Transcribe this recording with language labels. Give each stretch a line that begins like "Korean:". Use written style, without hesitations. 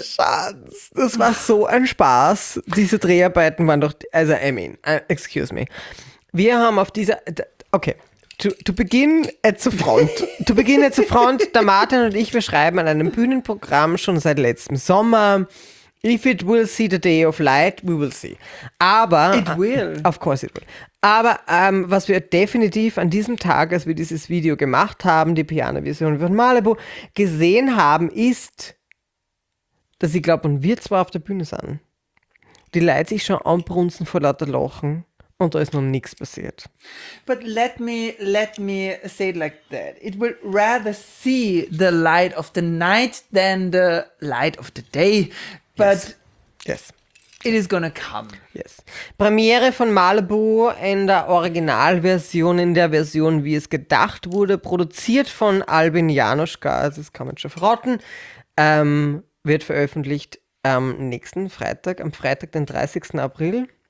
German: Schatz, das war so ein Spaß. Diese Dreharbeiten waren doch, also
English: I mean, excuse me.
German: Wir haben auf dieser, okay,
English: to begin at the front,
German: der Martin und ich, wir schreiben an einem Bühnenprogramm schon seit letztem Sommer.
English: If it will see the day of light, we will see.
German: Aber
English: it will. Of course it will.
German: Aber was wir definitiv an diesem Tag, als wir dieses Video gemacht haben, die Piano-Version von Malibu, gesehen haben, ist, dass ich glaube, und wir zwar auf der Bühne sind, die Leute sich schon anbrunzen vor lauter Lachen und da ist noch nichts passiert.
English: But let me say it like that. It will rather see the light of the night than the light of the day. But yes. It is gonna come. Yes.
German: Premiere von Malibu in der Originalversion, in der Version, wie es gedacht wurde, produziert von Albin Januszka, also das kann man schon verraten, wird veröffentlicht am nächsten Freitag, am Freitag, den 30. April.